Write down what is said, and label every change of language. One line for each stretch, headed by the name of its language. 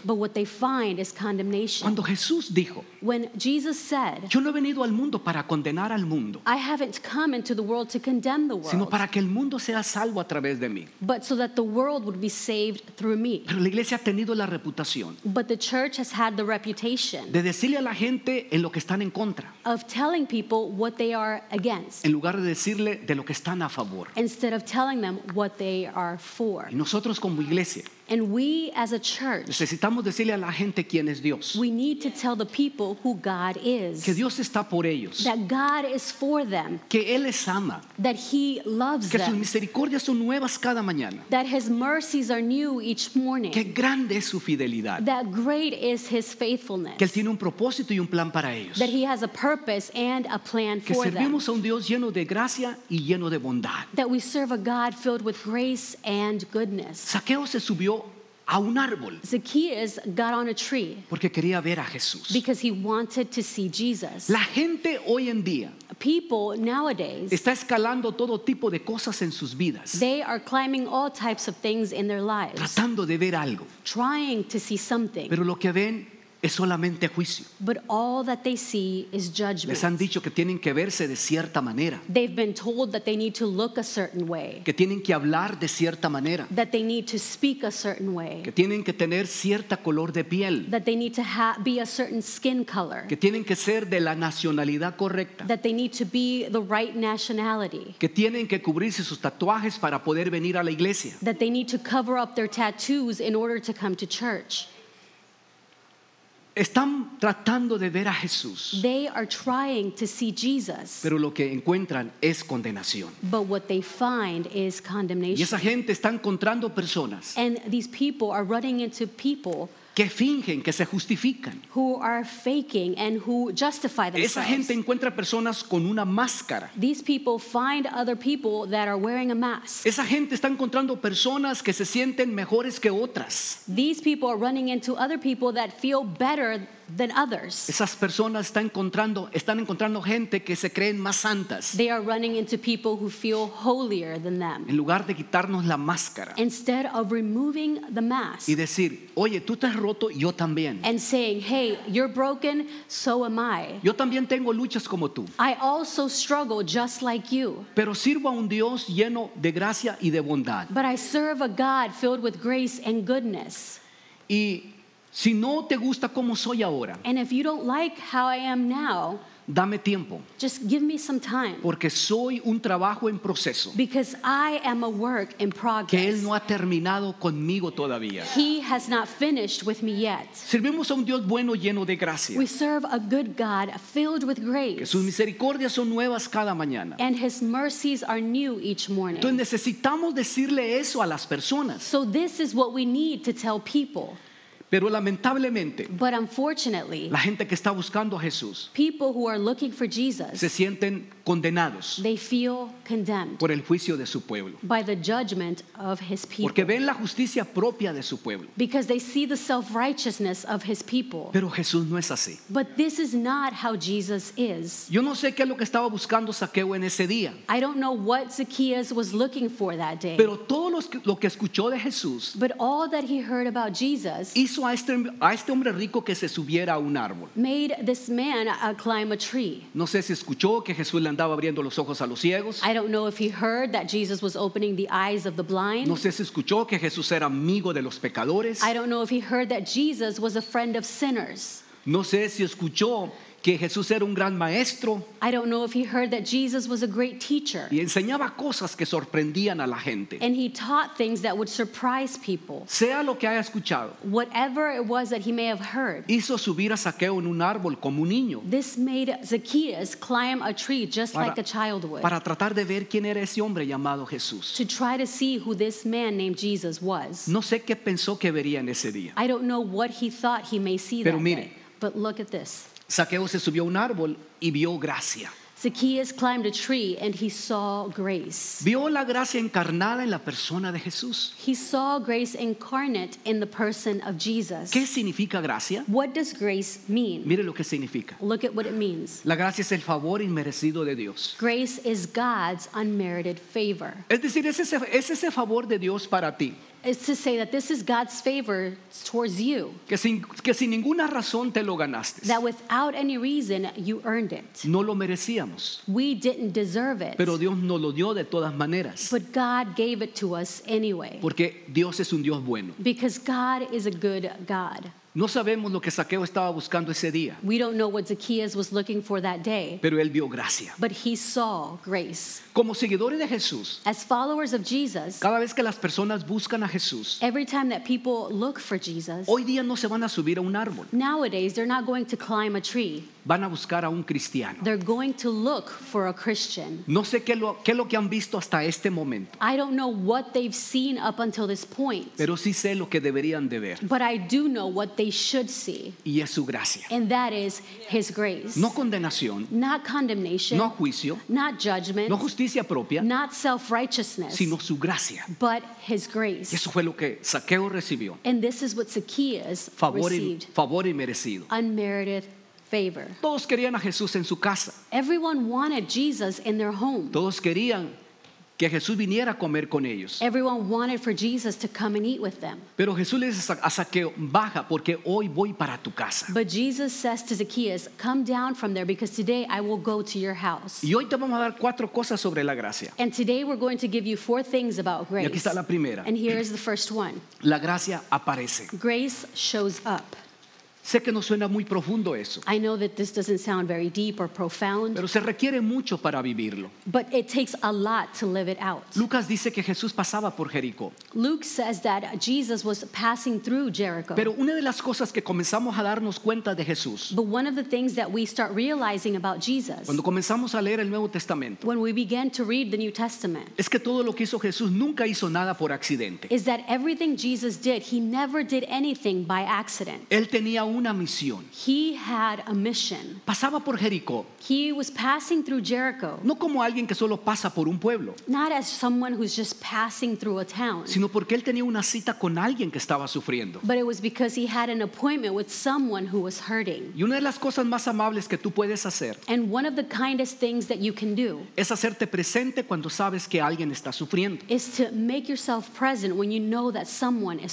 English: But what they find is condemnation.
Spanish: Cuando Jesús dijo,
English: when Jesus said,
Spanish: yo no he venido al mundo para condenar al mundo.
English: I haven't come into the world to condemn the world.
Spanish: Sino para que el mundo sea salvo a través de mí.
English: But so that the world would be saved through me.
Spanish: Pero la iglesia ha tenido la reputación.
English: But the church has had the reputation.
Spanish: De decirle a la gente en lo que están en contra.
English: Of telling people what they are against.
Spanish: En lugar de decirle de lo que están a favor.
English: Instead of telling them what they are for.
Spanish: Y nosotros como iglesia.
English: And we as a church.
Spanish: Necesitamos decirle a la gente quién es Dios.
English: We need to tell the people who God is.
Spanish: Que Dios está por ellos.
English: That God is for them.
Spanish: Que Él les ama.
English: That He loves
Spanish: que
English: them.
Spanish: Que sus misericordias son nuevas cada mañana.
English: That His mercies are new each morning.
Spanish: Que grande es su fidelidad.
English: That great is His faithfulness.
Spanish: Que Él tiene un propósito y un plan para ellos.
English: That He has a purpose and a plan
Spanish: que
English: for them.
Spanish: Que servimos a un Dios lleno de gracia y lleno de bondad.
English: That we serve a God filled with grace and goodness.
Spanish: Zaqueo se subió a un árbol.
English: Zacchaeus got on a tree.
Spanish: Porque quería ver a Jesús.
English: Because he wanted to see Jesus.
Spanish: La gente hoy en día.
English: People nowadays.
Spanish: Está escalando todo tipo de cosas en sus vidas.
English: They are climbing all types of things in their lives.
Spanish: Tratando de ver algo.
English: Trying to see something.
Spanish: Pero lo que ven es solamente juicio.
English: But all that they see is judgment.
Spanish: Les han dicho que tienen que verse de cierta manera.
English: They've been told that they need to look a certain way.
Spanish: Que tienen que hablar de cierta manera.
English: That they need to speak a certain way.
Spanish: Que tienen que tener cierta color de piel.
English: That they need to be a certain skin color.
Spanish: Que tienen que ser de la nacionalidad correcta.
English: That they need to be the right nationality.
Spanish: Que tienen que cubrirse sus tatuajes para poder venir a la iglesia.
English: That they need to cover up their tattoos in order to come to church.
Spanish: Están tratando de ver a Jesús.
English: They are trying to see Jesus.
Spanish: Pero lo que encuentran es condenación.
English: But what they find is condemnation.
Spanish: Y esa gente está encontrando personas.
English: And these people are running into people.
Spanish: Que fingen, que se justifican.
English: Who are faking and who justify themselves.
Spanish: Esa gente encuentra personas con una máscara.
English: These people find other people that are wearing a mask.
Spanish: Esa gente está encontrando personas que se sienten mejores que otras.
English: These people are running into other people that feel better than others.
Spanish: Esas personas están encontrando gente que se creen más santas.
English: They are running into people who feel holier than them.
Spanish: En lugar de quitarnos la máscara.
English: Instead of removing the mask.
Spanish: Y decir, oye, tú te has roto, yo también.
English: And saying, hey, you're broken, so am I.
Spanish: Yo también tengo luchas como tú.
English: I also struggle just like you.
Spanish: Pero sirvo a un Dios lleno de gracia y de bondad.
English: But I serve a God filled with grace and goodness.
Spanish: Y si no te gusta como soy ahora,
English: and if you don't like how I am now,
Spanish: dame tiempo.
English: Just give me some time.
Spanish: Porque soy un trabajo en proceso.
English: Because I am a work in progress.
Spanish: Que Él no ha terminado conmigo todavía.
English: He has not finished with me yet.
Spanish: Servimos a un Dios bueno lleno de gracia.
English: We serve a good God filled with grace.
Spanish: Que sus misericordias son nuevas cada mañana.
English: And His mercies are new each morning.
Spanish: Entonces necesitamos decirle eso a las personas.
English: So this is what we need to tell people.
Spanish: Pero lamentablemente,
English: but unfortunately,
Spanish: la gente que está buscando a Jesús,
English: people who are looking for Jesus,
Spanish: se sienten condenados,
English: they feel condemned,
Spanish: por el juicio de su pueblo,
English: by the judgment of His people,
Spanish: porque ven la justicia propia de su pueblo,
English: because they see the self-righteousness of His people.
Spanish: Pero Jesús no es así.
English: But this is not how Jesus is.
Spanish: Yo no sé qué es lo que estaba buscando Zaqueo en ese día.
English: I don't know what Zacchaeus was looking for that day.
Spanish: Pero todo lo que escuchó de Jesús,
English: but all that he heard about Jesus,
Spanish: hizo a este hombre rico que se subiera a un árbol.
English: Made this man climb a tree.
Spanish: No sé si escuchó que Jesús le andaba abriendo los ojos a los ciegos.
English: I don't know if he heard that Jesus was opening the eyes of the blind.
Spanish: No sé si escuchó que Jesús era amigo de los pecadores.
English: I don't know if he heard that Jesus was a friend of sinners.
Spanish: No sé si escuchó que Jesús era un gran maestro.
English: I don't know if he heard that Jesus was a great teacher.
Spanish: Y enseñaba cosas que sorprendían a la gente.
English: And he taught things that would surprise people.
Spanish: Sea lo que haya escuchado,
English: whatever it was that he may have heard,
Spanish: hizo subir a Zaqueo en un árbol como un niño.
English: This made Zacchaeus climb a tree just like a child would.
Spanish: Para tratar de ver quién era ese hombre llamado Jesús.
English: To try to see who this man named Jesus was.
Spanish: No sé qué pensó que vería en ese día.
English: I don't know what he thought he may see
Spanish: pero
English: that
Spanish: mire,
English: day. But look at this.
Spanish: Zaqueo se subió a un árbol y vio gracia.
English: Zacchaeus climbed a tree and he saw grace.
Spanish: Vio la gracia encarnada en la persona de Jesús.
English: He saw grace incarnate in the person of Jesus.
Spanish: ¿Qué significa gracia?
English: What does grace mean?
Spanish: Mire lo que significa.
English: Look at what it means.
Spanish: La gracia es el favor inmerecido de Dios.
English: Grace is God's unmerited favor.
Spanish: Es decir, es ese favor de Dios para ti.
English: Is to say that this is God's favor towards you.
Spanish: Que sin ninguna razón te lo ganaste.
English: That without any reason you earned it.
Spanish: No lo merecíamos.
English: We didn't deserve it.
Spanish: Pero Dios nos lo dio de todas maneras.
English: But God gave it to us anyway.
Spanish: Porque Dios es un Dios bueno.
English: Because God is a good God.
Spanish: No sabemos lo que Zaqueo estaba buscando ese día.
English: We don't know what Zacchaeus was looking for that day.
Spanish: Pero él vio gracia.
English: But he saw grace.
Spanish: Como seguidores de Jesús,
English: as followers of Jesus,
Spanish: cada vez que las personas buscan a Jesús,
English: every time that people look for Jesus,
Spanish: hoy día no se van a subir a un árbol.
English: Nowadays, they're not going to climb a tree.
Spanish: Van a buscar a un cristiano.
English: They're going to look for a Christian.
Spanish: No sé qué es lo que han visto hasta este momento.
English: I don't know what they've seen up until this point.
Spanish: Pero sí sé lo que deberían de ver.
English: But I do know what they should see.
Spanish: Y es su gracia.
English: And that is his grace.
Spanish: No condenación.
English: Not condemnation.
Spanish: No juicio.
English: Not judgment.
Spanish: No justicia propia.
English: Not self-righteousness.
Spanish: Sino su gracia.
English: But his grace.
Spanish: Y eso fue lo que Zaqueo recibió.
English: And this is what Zacchaeus received.
Spanish: Favor inmerecido.
English: Unmerited favor.
Spanish: Todos querían a Jesús en su casa.
English: Everyone wanted Jesus in their home.
Spanish: Todos querían que Jesús viniera a comer con ellos.
English: Everyone wanted for Jesus to come and eat with them.
Spanish: Pero Jesús le dice a Zaqueo, baja porque hoy voy para tu casa.
English: But Jesus says to Zacchaeus, come down from there because today I will go to your house.
Spanish: Y hoy te vamos a dar cuatro cosas sobre la gracia.
English: And today we're going to give you four things about grace.
Spanish: Y aquí está la primera.
English: And here is the first one.
Spanish: La gracia aparece.
English: Grace shows up.
Spanish: Sé que no suena muy profundo eso.
English: I know that this doesn't sound very deep or profound.
Spanish: Pero se requiere mucho para vivirlo.
English: But it takes a lot to live it out.
Spanish: Lucas dice que Jesús pasaba por Jericó.
English: Luke says that Jesus was passing through Jericho.
Spanish: Pero una de las cosas que comenzamos a darnos cuenta de Jesús.
English: But one of the things that we start realizing about Jesus.
Spanish: Cuando comenzamos a leer el Nuevo Testamento.
English: When we began to read the New Testament.
Spanish: Es que todo lo que hizo Jesús nunca hizo nada por accidente.
English: Is that everything Jesus did, he never did anything by accident.
Spanish: Él tenía una misión.
English: He had a mission.
Spanish: Pasaba por Jericó.
English: He was passing through Jericho.
Spanish: No como alguien que solo pasa por un pueblo.
English: Not as someone who's just passing through a town.
Spanish: Sino porque él tenía una cita con alguien que estaba sufriendo.
English: But it was because he had an appointment with someone who was hurting.
Spanish: Y una de las cosas más amables que tú puedes hacer.
English: And one of the kindest things that you can do.
Spanish: Es hacerte presente cuando sabes que alguien está sufriendo.
English: Is to make yourself present when you know that someone is